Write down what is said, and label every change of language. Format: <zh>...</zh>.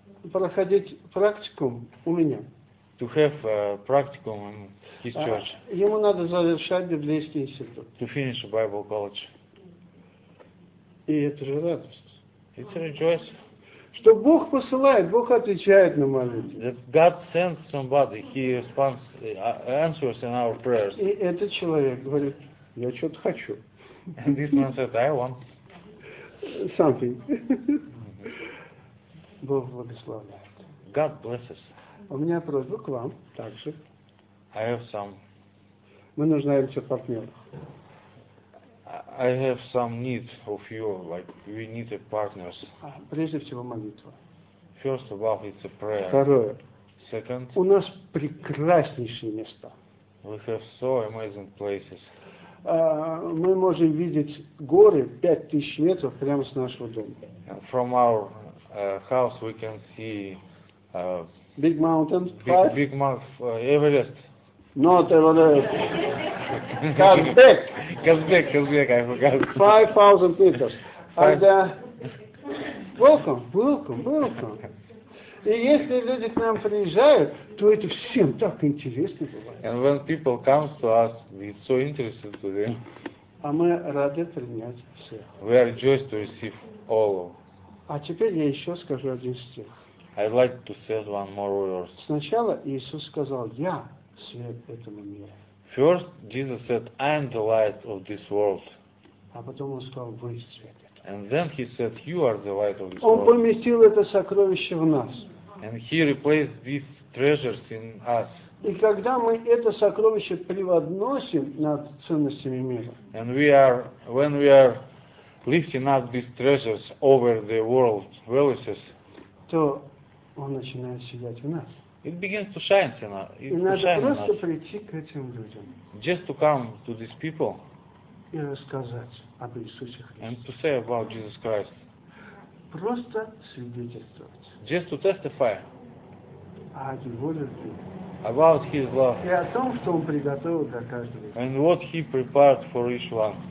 <ru>проходить практикум у меня.</ru> <en>To have a practicum in his church.</en> <ru>Ему надо завершать библейский институт.</ru> <en>To finish a Bible college.</en> <ru>И это же радость.</ru> <en>It's a rejoice.</en> <ru>Что Бог посылает, Бог отвечает на молитву.</ru> <en>That God sends somebody, He responds, answers in our prayers.</en> <ru>И этот человек говорит, я что-то хочу.</ru> <en>And this man said, I want something. Mm-hmm.</en> <ru>Бог благословляет.</ru> <en>God blesses.</en> <ru>У меня просьба к вам также.</ru> <en>I have some.</en> <ru>Мы нуждаемся в партнерах.</ru> <en>I have some need of you, like we need a partners.</en> <ru>Прежде всего молитва.</ru> <en>First of all, it's a prayer.</en> <ru>Второе.</ru> <en>Second.</en> <ru>У нас прекраснейшие места.</ru> <en>We have so amazing places.</en> <ru>Мы можем видеть горы 5000 метров прямо с нашего дома.</ru> <en>From our house we can see big mountain. Big Mount Everest. Not Everest.</en> <ru>Казбек.</ru> <en>Казбек, Казбек, I forgot. 5000 meters. And welcome, welcome, welcome.</en> <ru>И если люди к нам приезжают, то это всем так интересно бывает.</ru> <en>And when people come to us, it's so interesting to them.</en> <ru>А мы рады принять всех.</ru> <en>We are rejoiced to receive all.</en> <ru>А теперь я еще скажу один стих.</ru> <en>I'd like to say one more word.</en> <ru>Сначала Иисус сказал, я свет этому миру.</ru> <en>First, Jesus said, I am the light of this world.</en> <ru>А потом он сказал, вы свет.</ru> <en>And then he said, you are the light of this</en> <ru>он Он поместил это сокровище в нас.</ru> <en>And he replaced these treasures in us.</en> <ru>И когда мы это сокровище превозносим над ценностями мира.</ru> <en>And we are, when we are lifting up these treasures over the world's valuses,</en> <ru>то он начинает сиять в нас.</ru> <en>It begins to shine in us.</en> <ru>И надо просто прийти к этим людям.</ru> <en>Just to come to these people.</en> <ru>И рассказать об Иисусе Христе.</ru> <en>And to say about Jesus Christ.</en> <ru>Просто свидетельствовать.</ru> <en>Just to testify.</en> <ru>О Его любви.</ru> <en>About His love.</en> <ru>И о том, что Он приготовил для каждого.</ru> <en>And what He prepared for each one.</en>